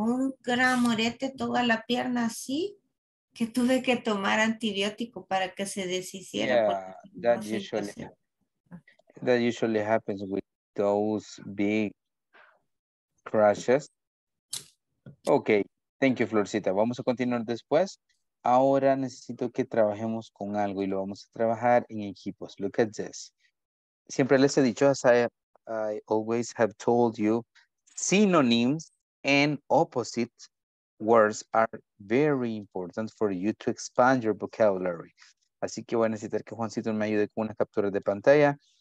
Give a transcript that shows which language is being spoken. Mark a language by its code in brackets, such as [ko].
[es] Un gran morete, toda la pierna así, que tuve que tomar antibiótico para que se deshiciera. [en] Yeah, that usually happens with those big crashes. [es] Ok, [en] thank you, [es] Florcita. Vamos a continuar después. Ahora necesito que trabajemos con algo y lo vamos a trabajar en equipos. [en] Look at this. [es] Siempre les he dicho, [en] as I always have told you, synonyms and opposite words are very important for you to expand your vocabulary. [es] Así que voy a necesitar que Juancito me ayude con unas capturas de pantalla.